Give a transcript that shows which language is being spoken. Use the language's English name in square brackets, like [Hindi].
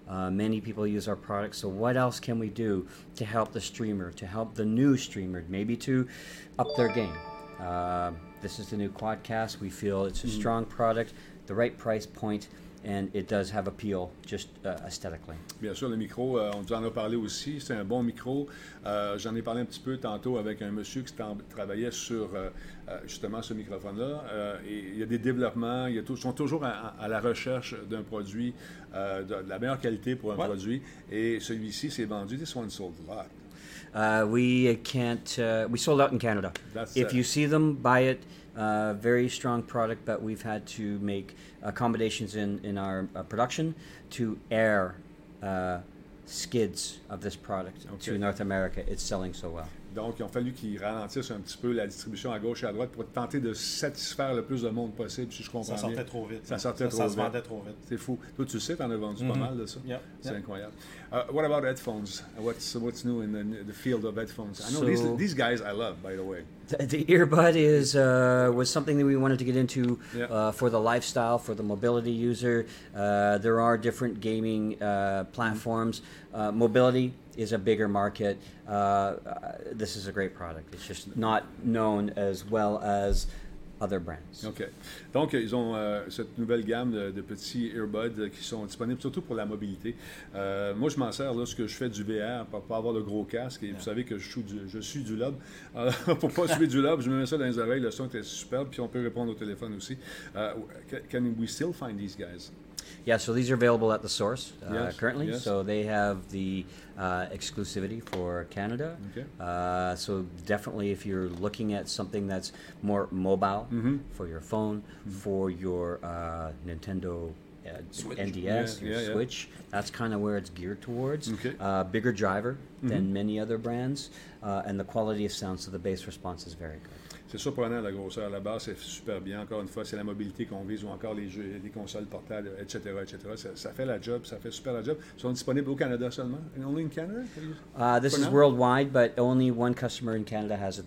[English] Many people use our product. So what else can we do to help the streamer, to help the new streamer, maybe to up their game? This is the new Quadcast. We feel it's a strong product, the right price point, and it does have appeal just aesthetically. [French] Bien sûr, le micro, on vous en a parlé aussi, c'est un bon micro. J'en ai parlé un petit peu tantôt avec un monsieur qui travaillait sur justement ce microphone-là. Et il y a des développements, ils sont toujours à la recherche d'un produit, de la meilleure qualité pour un produit. Et celui-ci s'est vendu, [English] this one sold a lot. We sold out in Canada. That's if you see them, buy it. Very strong product, but we've had to make accommodations in our production to air skids of this product to North America. It's selling so well. [French] Donc, il a fallu qu'ils ralentissent un petit peu la distribution à gauche et à droite pour tenter de satisfaire le plus de monde possible, si je comprends bien. Ça sortait trop vite. Ça se vendait trop vite. C'est fou. Toi, tu sais, t'en as vendu pas mal de ça. [English] Yeah. [French] C'est [English] yeah. incroyable. What about headphones? What's new in the field of headphones? I know these guys I love, by the way. The earbud is was something that we wanted to get into for the lifestyle, for the mobility user. There are different gaming platforms. Mobility is a bigger market. This is a great product. It's just not known as well as other brands. OK. [French] Donc, ils ont cette nouvelle gamme de petits earbuds qui sont disponibles surtout pour la mobilité. Moi, je m'en sers lorsque je fais du VR pour ne pas avoir le gros casque. Et vous savez que je suis du lob. Pour ne pas suivre du lob, je me mets ça dans les oreilles. Le son était superbe. Puis on peut répondre au téléphone aussi. [English] Can we still find these guys? Yeah, so these are available at the source yes, currently. Yes. So they have the exclusivity for Canada. Okay. So definitely if you're looking at something that's more mobile for your phone, for your Nintendo Switch. NDS, Switch, that's kind of where it's geared towards. Okay. Bigger driver than many other brands. And the quality of sound, so the bass response is very good. [French] C'est surprenant la grosseur. La basse est super bien. Encore une fois, c'est la mobilité qu'on vise ou encore les jeux, les consoles portables, etc., etc. Ça fait la job. Ça fait super la job. Ils sont disponibles au Canada seulement? [English] And only in Canada? This is worldwide, but only one customer in Canada has it.